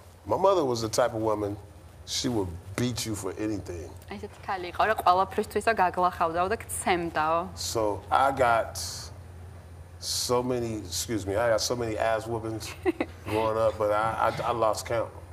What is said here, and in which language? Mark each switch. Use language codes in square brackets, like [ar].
[en] My mother was the type of woman she would beat you for anything. [ka] ეს ცალი იყო რა ყოველთვისო გაგლახავდაო და ცემდაო. [en] So I got so many ass whoopings growing up but I lost count.